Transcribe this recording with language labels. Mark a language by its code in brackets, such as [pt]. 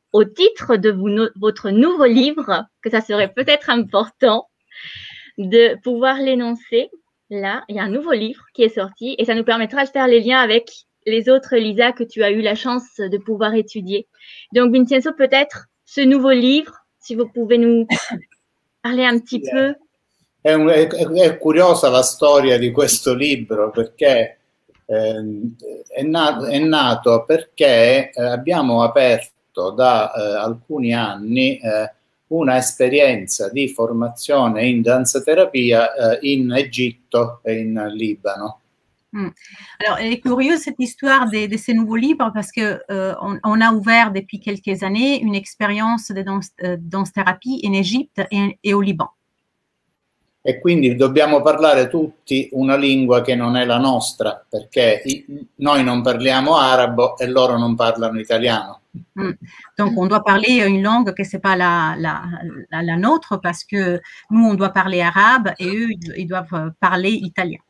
[fr] au titre de votre nouveau livre, que ça serait peut-être important de pouvoir l'énoncer. Là, il y a un nouveau livre qui est sorti et ça nous permettra de faire les liens avec les autres, Lisa, que tu as eu la chance de pouvoir étudier. Donc, Vincenzo, peut-être ce nouveau livre, si vous pouvez nous parler un petit peu. [it] È curiosa la storia di questo libro, perché è nato perché abbiamo aperto da alcuni anni una esperienza di formazione in danza terapia in Egitto e in Libano. [fr] Alors, elle est curieuse cette histoire de ces nouveaux livres parce que on a ouvert depuis quelques années une expérience de danse-thérapie en Égypte et au Liban. [it] E quindi dobbiamo parlare tutti una lingua che non è la nostra, perché noi non parliamo arabo e loro non parlano italiano. [fr] Donc on doit parler une langue qui n'est pas la nôtre, parce que nous on doit parler arabe et eux ils doivent parler italien.